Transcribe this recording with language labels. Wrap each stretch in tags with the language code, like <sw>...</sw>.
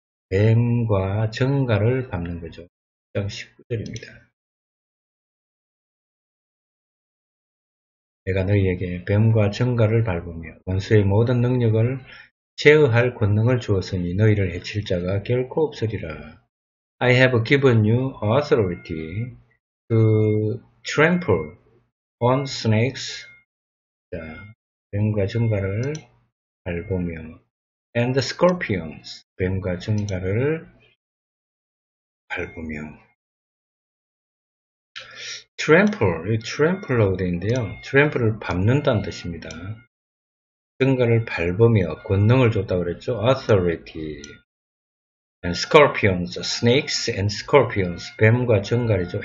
<ko>뱀과 정갈을 밟는 거죠. 10장 19절입니다. 내가 너희에게 뱀과 정갈을 밟으며 원수의 모든 능력을 제어할 권능을 주었으니 너희를 해칠 자가 결코 없으리라.</ko> <en>I have given you authority to trample on snakes.</en> <ko>자, 뱀과 정갈을 밟으며</ko> <en>and the scorpions.</en> <ko>뱀과 정갈을 밟으며 trample, trample라고 되어 있는데요. trample를 밟는다는 뜻입니다. 정갈을 밟으며 권능을 줬다고 그랬죠.</ko> <en>authority and scorpions, snakes and scorpions,</en> <ko>뱀과 정갈이죠.</ko>